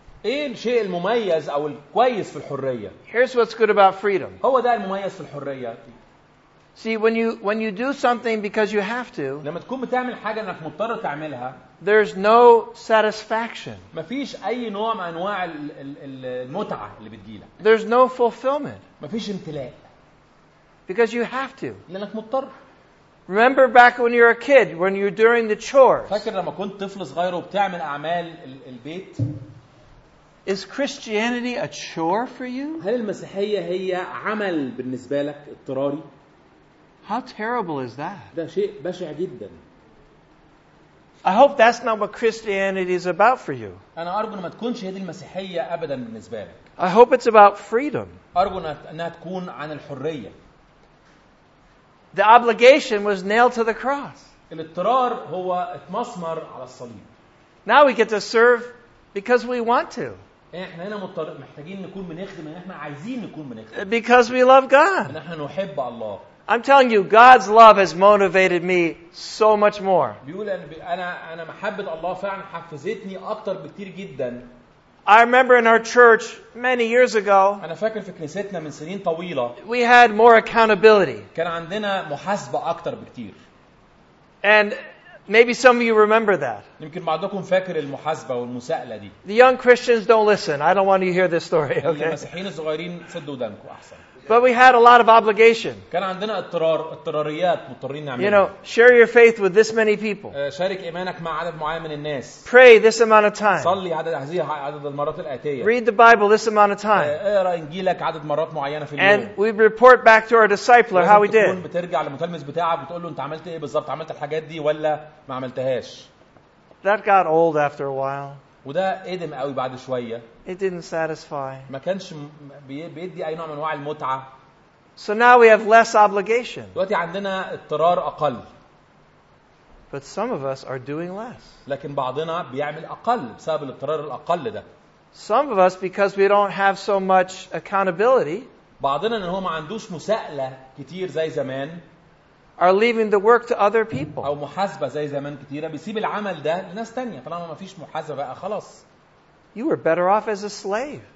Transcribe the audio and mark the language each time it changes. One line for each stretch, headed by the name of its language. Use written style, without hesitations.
Arabic: إيه الشيء المميز أو الكويس في الحرية؟
English: Here's what's good about freedom.
Arabic: هو ده المميز في الحرية.
English: See when you do something because you have to.
Arabic: لما تكون بتعمل حاجة إنك مضطر تعملها.
English: There's no satisfaction.
Arabic: مفيش أي نوع من أنواع المتعة اللي بتجيلك.
English: There's no fulfillment.
Arabic: مفيش امتلاء.
English: Because you have to.
Arabic: لأنك مضطر.
English: Remember back when you were a kid when you're doing the chores.
Arabic: فاكر لما كنت طفل صغير وبتعمل أعمال البيت.
English: Is Christianity a chore for you?
Arabic: هل المسيحية هي عمل بالنسبة لك اضطراري؟
English: How terrible is that?
Arabic: ده شيء بشع جدا.
English: I hope that's not what Christianity is about for you.
Arabic: أنا أرجو إن ما تكونش هذه المسيحية أبدا بالنسبة لك.
English: I hope it's about freedom.
Arabic: أرجو إنها تكون عن الحرية.
English: The obligation was nailed to the cross.
Arabic: الاضطرار هو اتمسمر على الصليب.
English: Now we get to serve because we want to.
Arabic: احنا هنا محتاجين نكون بنخدم لان احنا عايزين نكون بنخدم.
English: Because we love God.
Arabic: لان احنا نحب الله.
English: I'm telling you, God's love has motivated me so much more.
Arabic: بيقول انا محبة الله فعلا حفزتني اكتر بكتير جدا.
English: I remember in our church many years ago.
Arabic: انا فاكر في كنيستنا من سنين طويلة.
English: We had more accountability.
Arabic: كان عندنا محاسبة اكتر بكتير.
English: And maybe some of you remember that.
Arabic: يمكن بعضكم فاكر المحاسبة والمساءلة دي.
English: The young Christians don't listen. I don't want you to hear this story. Okay.
Arabic: المسيحيين الصغيرين سدوا ودانكم احسن.
English: But we had a lot of obligation.
Arabic: كان عندنا اضطراريات مضطرين نعملها.
English: You know, share your faith with this many people.
Arabic: شارك إيمانك مع عدد معين من الناس.
English: Pray this amount of time.
Arabic: صلي عدد المرات الآتية.
English: Read the Bible this amount of time.
Arabic: اقرأ إنجيلك عدد مرات معينة في اليوم.
English: And we report back to our discipler how we did.
Arabic: بترجع للمتلمذ بتاعك بتقول له أنت عملت إيه بالظبط؟ عملت الحاجات دي ولا ما عملتهاش؟
English: That got old after a while.
Arabic: وده قدم قوي بعد شوية.
English: It didn't satisfy.
Arabic: ما كانش بيدي أي نوع من أنواع المتعة.
English: So now we have less obligation.
Arabic: دلوقتي عندنا اضطرار أقل.
English: But some of us are doing less.
Arabic: لكن بعضنا بيعمل أقل بسبب الاضطرار الأقل ده.
English: Some of us because we don't have so much accountability.
Arabic: بعضنا إن هو ما عندوش مساءلة كتير زي زمان.
English: Are leaving the work to other people.
Arabic: أو محاسبة زي زمان كتيرة بيسيب العمل ده لناس تانية طالما ما فيش محاسبة بقى خلاص.
English: You were better off as a slave.